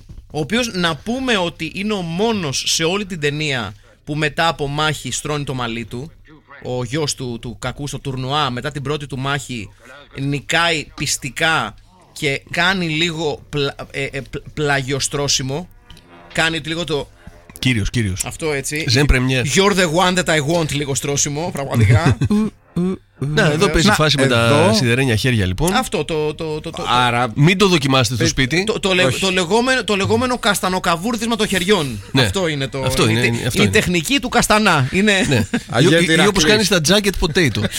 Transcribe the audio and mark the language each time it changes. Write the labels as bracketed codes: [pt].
[el] Ο οποίος να πούμε ότι είναι ο μόνος σε όλη την ταινία που μετά από μάχη στρώνει το μαλλί του. Ο γιος του κακού στο τουρνουά μετά την πρώτη του μάχη νικάει πιστικά και κάνει λίγο πλαγιοστρώσιμο. Κάνει λίγο το. Κύριος. Αυτό έτσι. Ζεν πρεμιέρ. [en] You're the one that I want, [el] λίγο στρώσιμο, πραγματικά. Να, εδώ παίζει η φάση με τα σιδερένια χέρια λοιπόν. Αυτό το. Άρα, μην το δοκιμάσετε στο σπίτι. Το λεγόμενο καστανοκαβούρδισμα των χεριών. Ναι. Αυτό είναι το. Αυτό είναι, η τεχνική του καστανά. Είναι. Ή όπως κάνει τα jacket potato.